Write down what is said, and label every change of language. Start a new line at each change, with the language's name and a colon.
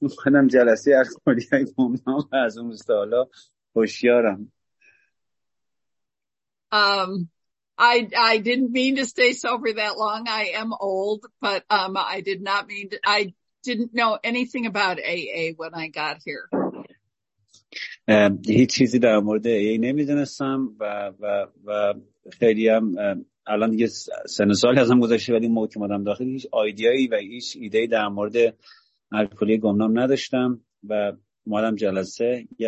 Persian: منم جلسه الکلی گمنام و از اون روزتا حالا هوشیارم.
English: I didn't mean to stay sober that long. I am old, but I did not mean to, I didn't know anything about AA when I got here.
Persian: هیچ چیزی در مورد AA نمیدونستم و خیلی هم الان دیگه سن سالی ازم گذشته ولی موقع که اومدم داخل هیچ آیدیایی و هیچ ایده‌ای در مورد الکلی گمنام نداشتم و اومدم جلسه.